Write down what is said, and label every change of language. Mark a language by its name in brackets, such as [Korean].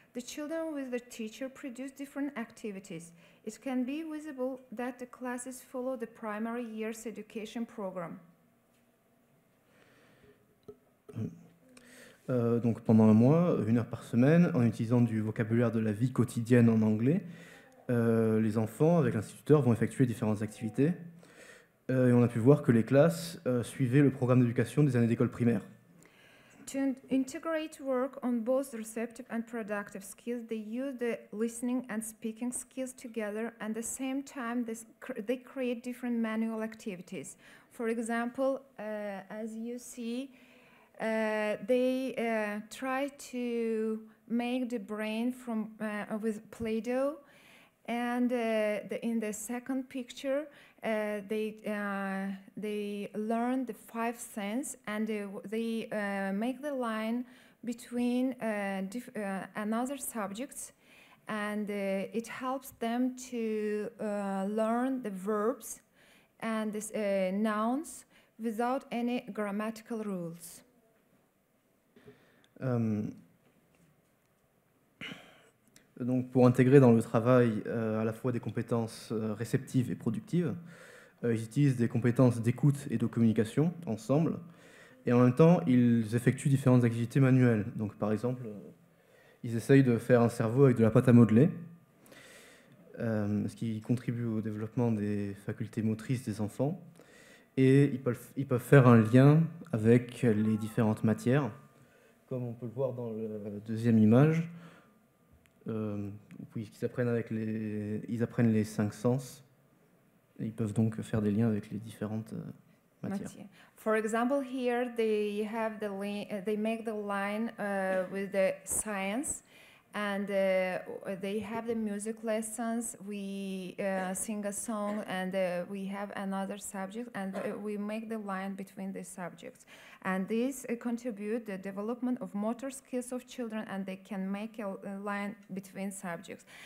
[English] The children with the teacher produce different activities. It can be visible that the classes follow the primary year's education program. [French] Pendant un mois, une heure par semaine, en utilisant du vocabulaire de la vie quotidienne en anglais, les enfants avec l'instituteur vont effectuer différentes activités. Et on a pu voir que les classes suivaient le programme d'éducation des années d'école primaire. [English] To integrate work on both receptive and productive skills, they use the listening and speaking skills together, and at the same time, they create different manual activities. For example, as you see, they try to make the brain from with Play-Doh, and in the second picture, they learn the five senses and they make the line between another subjects, and it helps them to learn the verbs and the nouns without any grammatical rules. [French] Donc pour intégrer dans le travail à la fois des compétences réceptives et productives, ils utilisent des compétences d'écoute et de communication ensemble, et en même temps, ils effectuent différentes activités manuelles. Donc par exemple, ils essayent de faire un cerveau avec de la pâte à modeler, ce qui contribue au développement des facultés motrices des enfants, et ils peuvent faire un lien avec les différentes matières, comme on peut le voir dans la deuxième image. Ils apprennent les cinq sens. Ils peuvent donc faire des liens avec les différentes matières. [English] For example, here they have the link. They make the line with the science, and they have the music lessons. We sing a song, and we have another subject, and we make the line between the subjects. And this contribute the development of motor skills of children, and they can make a line between subjects.